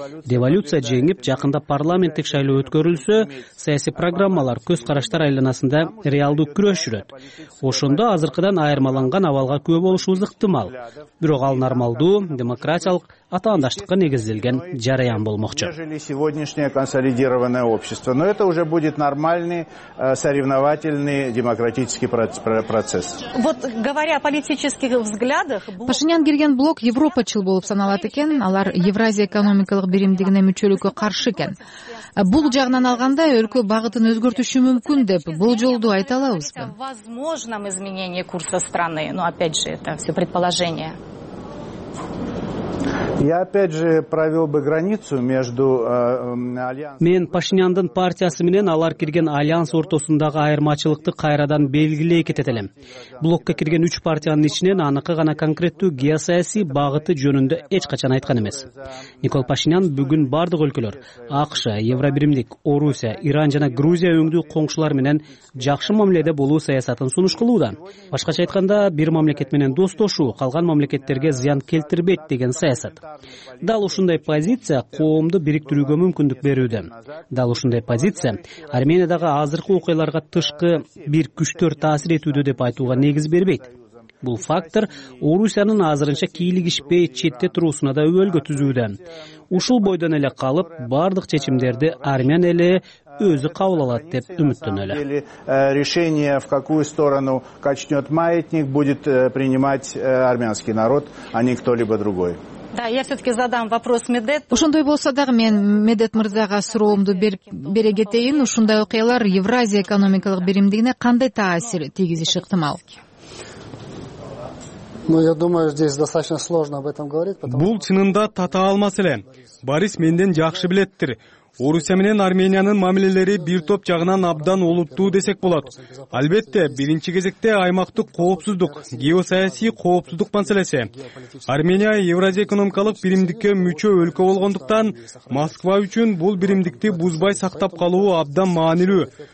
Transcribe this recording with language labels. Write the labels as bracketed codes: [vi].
[ky] Революция жеңип, жакында парламенттик шайлоо өткөрүлсө, саясий программалар көз караштар айланасында реалдуу күрөш жүрөт. Ошондо азыркыдан айырмаланган абалга күбө болушубуз ыктымал. Бирок ал нормалдуу, демократиялык, атаандаштыкка негизделген жараян болмокчу. [ru] Сегодняшнее консолидированное общество, но это уже будет нормальный соревновательный демократический процесс. Вот говоря о политических взглядах, [ky] Пашинян кирген блок Европачыл болуп саналат экен, алар Евразия экономикалык биримдигине мүчөлүккө каршы экен. Бул жагынан алганда өлкө багытын өзгөртүшү мүмкүн деп болжолду айта алабызбы? [ru] Возможно изменение курса страны, но опять же это всё предположение. Я опять же провел бы границу между альянсом. [ky] Мен Пашинянын партиясы менен алар кирген альянс ортосундагы айырмачылыкты кайрадан белгилей кетет элем. Блокко кирген 3 партиянын ичинен аныкы гана конкреттүү геосаясий багыты жөнүндө эч качан айткан эмес. Никол Пашинян бүгүн бардык өлкөлөр АКШ, Евробиримдик, Орусия, Иран жана Грузия өңдүү коңшулар менен жакшы мамиледе болуу саясатын сунуш кылууда. Башкача айтканда, бир мамлекет менен достошуу калган мамлекеттерге зыян келтирбейт деген саясат. Дал ушундай позиция коомду бириктирүүгө мүмкүндүк берүүдө. Дал ушундай позиция Армениядагы азыркы окуяларга тышкы бир күчтөр таасир этүүдө деп айтууга негиз бербейт. Бул фактор Орусиянын азырынча кийлигишпей четте туруусуна да өбөлгө түзүүдө. Ушул бойдон эле калып, бардык чечимдерди армян эли өзү кабыл алат деп үмүттөнөлү. [ru] Решение, в какую сторону качнет маятник, будет принимать армянский народ, а не кто-либо другой. Да, я все-таки задам вопрос Медет. [ky] Ушундай болсо дагы мен Медет мырзага суроомду бере кетейин. Ушундай окуялар Евразия экономикалык биримдигине кандай таасир тийгизиши ыктымал? [ru] Ну, я думаю, здесь достаточно сложно об этом говорить, потому [ky] Бул чынында татаал маселе. Борис менден жакшы билеттир. Орусия менен Армениянын мамилелери бир топ жагынан абдан олуттуу десек болот. Албетте, биринчи кезекте аймактык коопсуздук, геосаясий коопсуздук маселеси. Армения Евразия экономикалык биримдикке мүчө өлкө болгондуктан, Москва үчүн бул биримдикти бузбай сактап калуу абдан маанилүү.